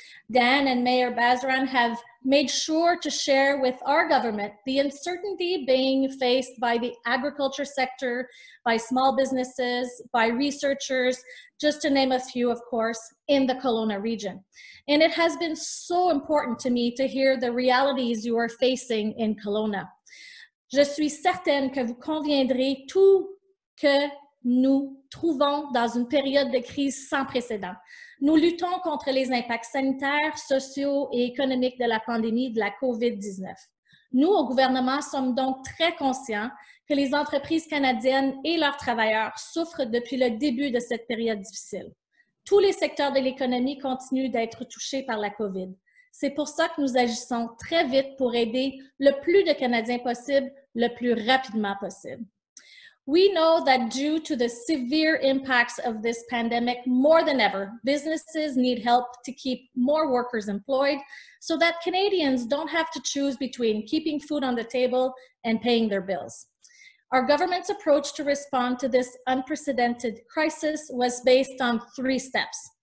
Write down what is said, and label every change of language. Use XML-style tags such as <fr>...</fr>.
<en>Dan and Mayor Bazaran have made sure to share with our government the uncertainty being faced by the agriculture sector, by small businesses, by researchers, just to name a few, of course, in the Kelowna region. And it has been so important to me to hear the realities you are facing in Kelowna.</en> <fr>Je suis certaine que vous conviendrez tout que nous trouvons dans une période de crise sans précédent. Nous luttons contre les impacts sanitaires, sociaux et économiques de la pandémie de la COVID-19. Nous, au gouvernement, sommes donc très conscients que les entreprises canadiennes et leurs travailleurs souffrent depuis le début de cette période difficile. Tous les secteurs de l'économie continuent d'être touchés par la COVID. C'est pour ça que nous agissons très vite pour aider le plus de Canadiens possible, le plus rapidement possible.</fr> <en>We know that due to the severe impacts of this pandemic, more than ever, businesses need help to keep more workers employed so that Canadians don't have to choose between keeping food on the table and paying their bills. Our government's approach to respond to this unprecedented crisis was based on three steps.</en>